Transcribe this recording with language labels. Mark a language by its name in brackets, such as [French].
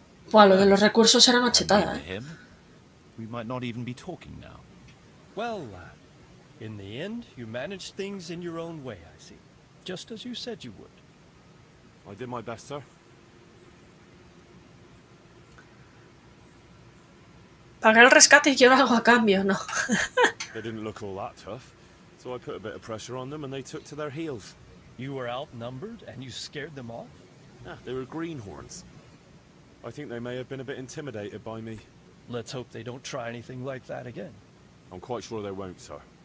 [Spanish] Bueno, lo de los recursos era una chetada, ¿eh? [English] We might not even be talking now. Well, lad, in the end, you managed things in your own way, I see. Just as you said you would. I did my best, sir. [Spanish] Pagar el rescate y quiero algo a cambio, ¿no? [English] They didn't look all that tough, so I put a bit of pressure on them and they took to their heels. You were outnumbered and you scared them off? Yeah, they were greenhorns. I think they may have been a bit intimidated by me. Let's hope they don't try anything like that again. I'm quite sure they won't, sir.